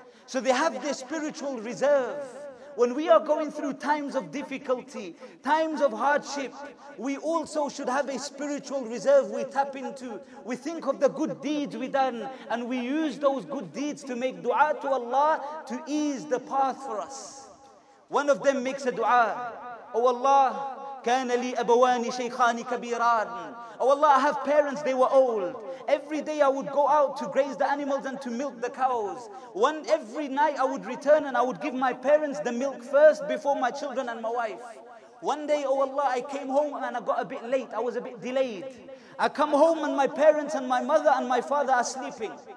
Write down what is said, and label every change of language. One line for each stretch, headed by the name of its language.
English: So they have their spiritual reserve. When we are going through times of difficulty, times of hardship, we also should have a spiritual reserve we tap into. We think of the good deeds we've done and we use those good deeds to make dua to Allah to ease the path for us. One of them makes a dua. Oh Allah,
Arabic: كَانَ لِي أَبَوَانِ شَيْخَانِ كَبِيرَانِ.
English: Oh Allah, I have parents, they were old. Every day I would go out to graze the animals and to milk the cows. One every night I would return and I would give my parents the milk first before my children and my wife. One day, oh Allah, I came home and I got a bit late. I was a bit delayed. I come home and my parents and my mother and my father are sleeping.